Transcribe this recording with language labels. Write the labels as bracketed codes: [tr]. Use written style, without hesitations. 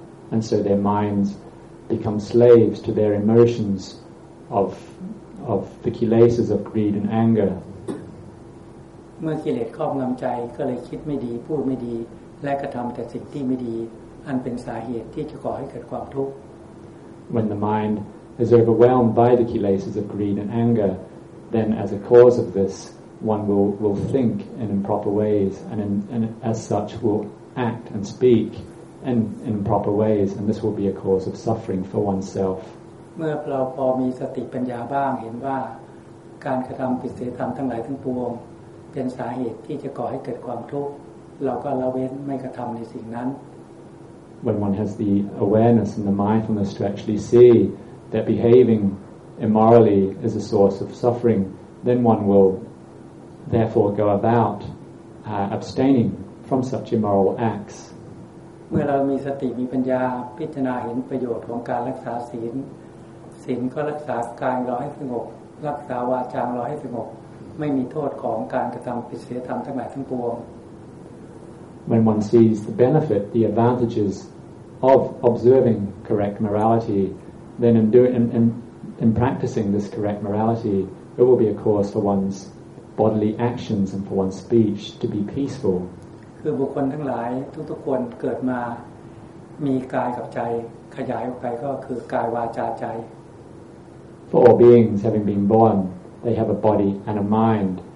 [en] And so their minds become slaves to their emotions of the kilesas of greed and anger. [th] เมื่อกิเลสครอบงำใจก็เลยคิดไม่ดีพูดไม่ดีและกระทำแต่สิ่งที่ไม่ดีอันเป็นสาเหตุที่จะก่อให้เกิดความทุกข์ [en] When the mind is overwhelmed by the kilesas of greed and anger, then as a cause of this, one will think in improper ways, and as such will act and speak in improper ways, and this will be a cause of suffering for oneself. [th] เมื่อเราพอมีสติปัญญาบ้างเห็นว่าการกระทำผิดศีลธรรมทั้งหลายทั้งปวงเป็นสาเหตุที่จะก่อให้เกิดความทุกข์เราก็ละเว้นไม่กระทำในสิ่งนั้น [en] When one has the awareness and the mindfulness to actually see that behaving immorally is a source of suffering, then one will therefore go about abstaining from such immoral acts. [th] เมื่อเรามีสติมีปัญญาพิจารณาเห็นประโยชน์ของการรักษาศีลศีลก็รักษากายเราให้สงบรักษาวาจาเราให้สงบไม่มีโทษของการกระทำผิดศีลธรรมทั้งหลายทั้งปวง [en] When one sees the benefit, the advantages of observing correct morality, then in doing in practicing this correct morality, it will be a cause for one's bodily actions and for one's speech to be peaceful. [th] คือบุคคลทั้งหลายทุกๆคนเกิดมามีกายกับใจขยายออกไปก็คือกายวาจาใจ [en] For all beings, having been born, they have a body and a mind.